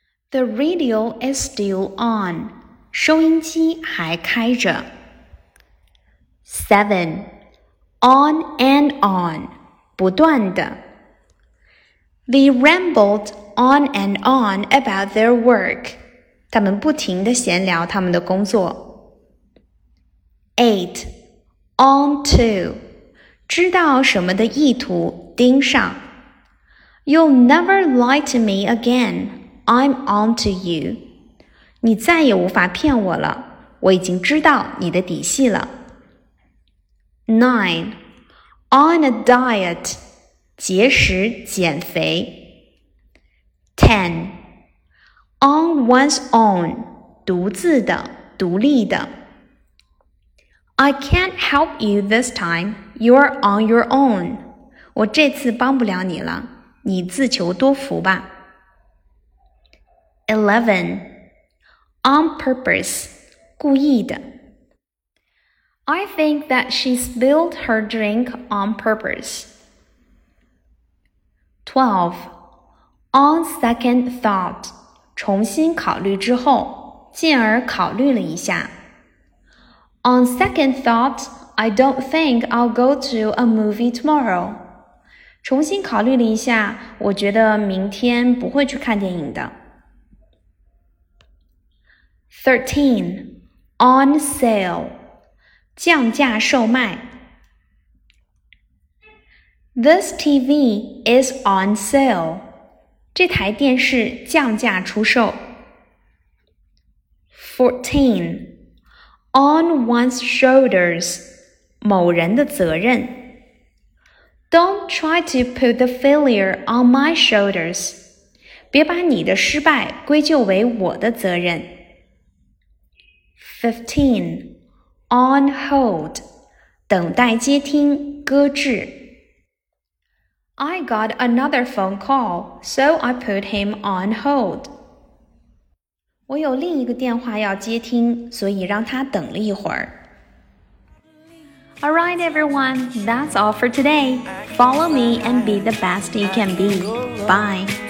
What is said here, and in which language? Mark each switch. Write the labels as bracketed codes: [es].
[en] The radio is still on. [zh] 收音机还开着。 [en] 7. On and on. [zh] 不断的。 [en] They rambled on and on about their work. [zh] 他们不停地闲聊他们的工作。 8. [en] On to. [zh] 知道什么的意图盯上。 [en] You'll never lie to me again. I'm on to you. [zh] 你再也无法骗我了。我已经知道你的底细了。 [en] 9. On a diet. [zh] 节食减肥。 [en] 10. On one's own, [zh] 独自的，独立的。 [en] I can't help you this time, you're on your own. [zh] 我这次帮不了你了，你自求多福吧。 11. [en] On purpose, [zh] 故意的。 [en] I think that she spilled her drink on purpose. 12. On second thought. [zh] 重新考虑之后，进而考虑了一下。 [en] On second thought, I don't think I'll go to a movie tomorrow. [zh] 重新考虑了一下，我觉得明天不会去看电影的。 13. [en] On sale. [zh] 降价售卖。 [en] This TV is on sale. [zh] 这台电视降价出售。 14. [en] On one's shoulders, [zh] 某人的责任。 [en] Don't try to put the failure on my shoulders. [zh] 别把你的失败归咎为我的责任。15. [en] On hold, [zh] 等待接听，搁置。 [en] I got another phone call, so I put him on hold. [zh] 我有另一个电话要接听，所以让他等了一会儿。 [en] All right, everyone, that's all for today. Follow me and be the best you can be. Bye.